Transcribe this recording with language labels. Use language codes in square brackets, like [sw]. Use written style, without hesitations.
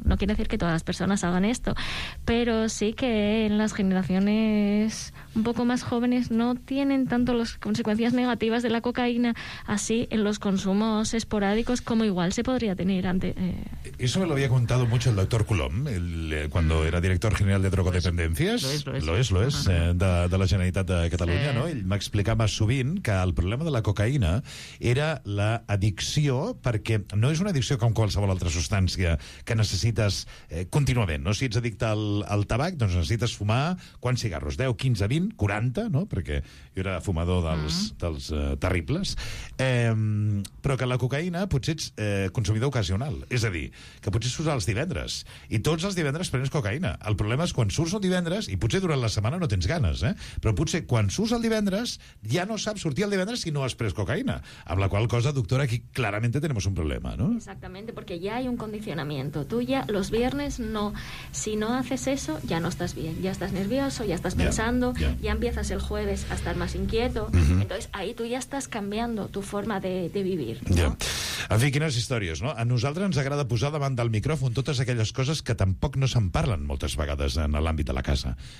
[es] No quiere decir que todas las personas hagan esto, pero sí que en las generaciones un poco más jóvenes no tienen tanto las consecuencias negativas de la cocaína así en los consumos esporádicos como igual se podría tener antes. Eso me lo había contado mucho el doctor Coulomb, cuando era director general de drogodependencias. Lo es. De la Generalitat de Catalunya, sí. ¿No? [ca] Ell m'explicava sovint que el problema de la cocaína era l'addicció, perquè no és una addicció com qualsevol altra substància que necessites contínuament, no? Si ets addicte al tabac, doncs necessites fumar quants cigarros? 10, 15, 20, 40, no? Perquè jo era fumador dels terribles. Però que la cocaïna potser ets consumidor ocasional, és a dir, que potser surts els divendres, i tots els divendres prens cocaïna. El problema és quan surts el divendres, i potser durant la setmana no tens ganes, però potser quan surts el divendres ja no saps sortir el divendres si no has pres cocaïna. Amb la qual cosa, [es] doctora, aquí claramente tenemos un problema, ¿no? Exactamente, porque ya hay un condicionamiento. Tú ya, los viernes, no. Si no haces eso, ya no estás bien. Ya estás nervioso, ya estás pensando, ya empiezas el jueves a estar más inquieto. Uh-huh. Entonces, ahí tú ya estás cambiando tu forma de vivir, ¿no? Ya. [ca] En fi, quines històries, no? A nosaltres ens agrada posar davant del micròfon totes aquelles coses que tampoc no se'n parlen moltes vegades en l'àmbit de la casa.